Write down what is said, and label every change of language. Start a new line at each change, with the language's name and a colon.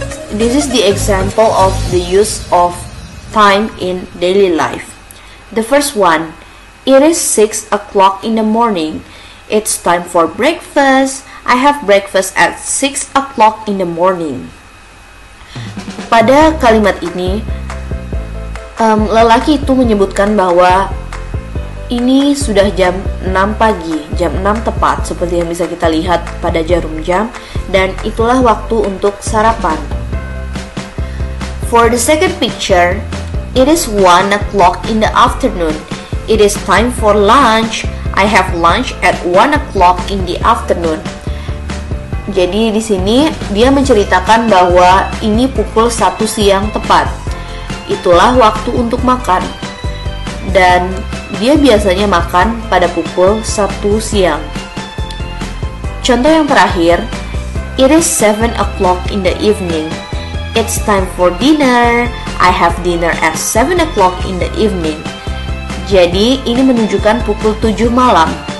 English: This is the example of the use of time in daily life. The first one, it is 6 o'clock in the morning. It's time for breakfast. I have breakfast at 6 o'clock in the morning.
Indonesian: Pada kalimat ini, lelaki itu menyebutkan bahwa ini sudah jam 6 pagi, jam 6 tepat seperti yang bisa kita lihat pada jarum jam, dan itulah waktu untuk sarapan.
English: For the second picture, it is 1 o'clock in the afternoon. It is time for lunch. I have lunch at 1 o'clock in the afternoon.
Indonesian: Jadi di sini dia menceritakan bahwa ini pukul 1 siang tepat. Itulah waktu untuk makan. Dan dia biasanya makan pada pukul 1 siang. Contoh yang terakhir,
English: it is 7 o'clock in the evening. It's time for dinner. I have dinner at 7 o'clock in the evening.
Indonesian: Jadi ini menunjukkan pukul 7 malam.